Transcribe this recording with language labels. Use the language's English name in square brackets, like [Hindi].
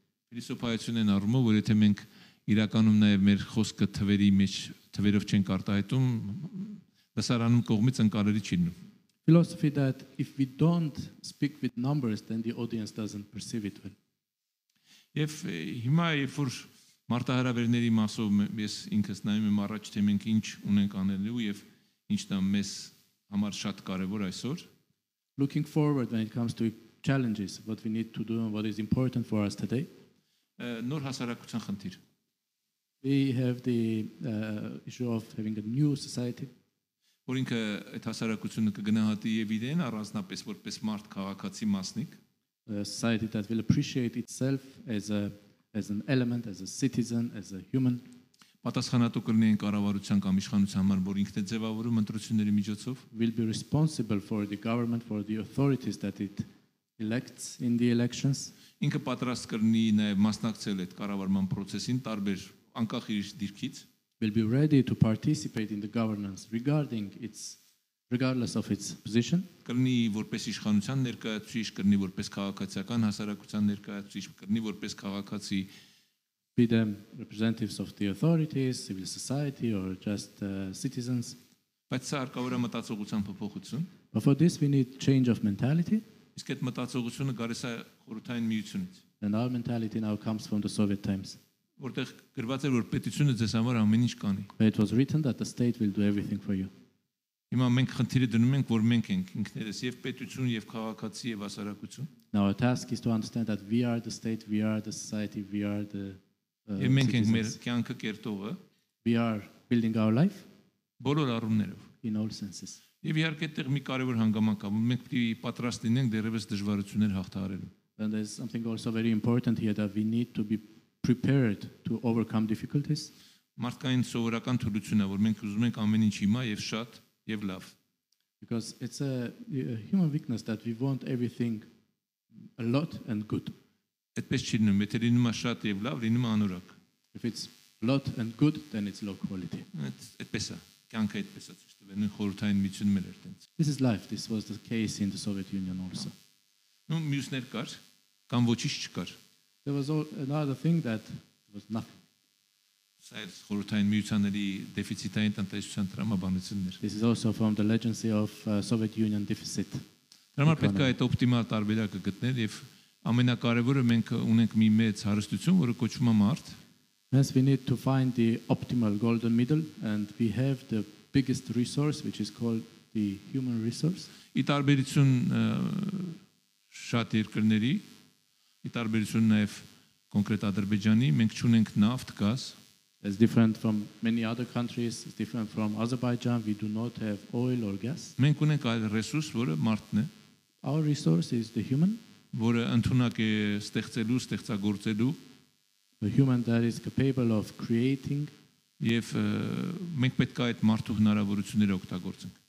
[Armenian] Փիլիսոփայությունն է առումը, որ եթե մենք իրականում նաև մեր խոսքը թվերի մեջ թվերով չենք արտահայտում, լսարանում կողմից ընկալելի չի լինում. [English] Philosophy that if we don't speak with numbers, then the audience doesn't perceive it well. [Armenian] Եվ հիմա, երբ որ մարտահրավերների մասով ես ինքս նայում եմ առաջ, թե մենք ինչ ունենք անելու եւ ինչն է մեզ համար շատ կարեւոր այսօր. [English] Looking forward when it comes to challenges, what we need to do and what is important for us today. [Armenian] Նոր հասարակության խնդիր. [English] We have the issue of having a new society. [Armenian] Որ ինքը այդ հասարակությունը կգնահատի եւ իրեն առանձնապես որպես մարդ քաղաքացի մասնիկ. [English] A society that will appreciate itself as an element, as a citizen, as a human. [Armenian] Պատասխանատու կլինեն կառավարության կամ իշխանության համար, որ ինքն է ձևավորում ընտրությունների միջոցով. [English] Will be responsible for the government, for the authorities that it elects in the elections. [Armenian] Ինքը պատրաստ կլինի նաև մասնակցել այդ կառավարման process-ին տարբեր անկախ իր դիրքից. [English] Will be ready to participate in the governance regardless of its position. [Armenian] Կլինի որպես իշխանության ներկայացուցիչ, կլինի որպես քաղաքացիական հասարակության ներկայացուցիչ, կլինի որպես քաղաքացի. [English] Be them representatives of the authorities, civil society or just citizens. [Armenian] Բայց սա հարկավոր է մտածողության փոփոխություն. [English] But for this we need change of mentality. [Armenian] Իսկ այդ մտածողությունը գալիս է խորհրդային միությունից. [English] And our mentality now comes from the Soviet times. [Armenian] Որտեղ գրված էր որ պետությունը ձեզ համար ամեն ինչ կանի. [English] It was written that the state will do everything for you. [Armenian] Հիմա մենք խնդիրը դնում ենք որ մենք ենք ինքներս եւ պետություն եւ քաղաքացի եւ հասարակություն. [English] Now our task is to understand that we are the state, we are the society, we are the citizens. [Armenian] Եվ մենք ենք մեր կյանքը կերտողը. [English] We are building our life. [Armenian] Բոլոր առումներով. [English] In all senses. [Armenian] Եվ իհարկե այդտեղ մի կարևոր հանգամանք կա, որ մենք պետք է պատրաստ լինենք դեռևս դժվարություններ հաղթահարելու. [English] And there's something also very important here that we need to be prepared to overcome difficulties. [Armenian] Մարդկային սովորական թուլությունն է, որ մենք ուզում ենք ամեն ինչ հիմա եւ շատ եւ լավ. [English] Because it's a human weakness that we want everything a lot and good. [Armenian] Այդպես չի լինում, եթե լինում է շատ եւ լավ, լինում է անորակ. [English] If it's a lot and good, then it's low quality. [Armenian] Այդպես է, կյանքը այդպես է ճիշտ, վերնի խորհրդային միջին մեր այդպես. [English] This is life. This was the case in the Soviet Union also. [Armenian] Նո, մյուսներ կար, կամ ոչինչ չկար. [English] There was another thing that was nothing. [Armenian] Սայս խորհրդային միությունների դեֆիցիտային տնտեսության դրամաբանություններ. [English] This is also from the legacy of Soviet Union deficit. [Armenian] Դրանք պետք է այդ օպտիմալ տարբերակը գտնել եւ ամենակարևորը մենք ունենք մի մեծ հարստություն, որը կոչվում է մարդ. [English] Hence we need to find the optimal golden middle and we have the biggest resource which is called the human resource. [Armenian] Ի տարբերություն շատ երկրների ի տարբերություն նաև կոնկրետ Ադրբեջանի մենք չունենք նավթ, գազ. [English] It's different from many other countries, it's different from Azerbaijan, we do not have oil or gas. [Armenian] Մենք ունենք այլ ռեսուրս, որը մարդն է. [English] Our resource is the human. [Armenian] Որը ընդունակ է ստեղծելու, ստեղծագործելու. [English] The human that is capable of creating. [Armenian] Եվ մենք պետք է այդ մարդու հնարավորությունները օգտագործենք.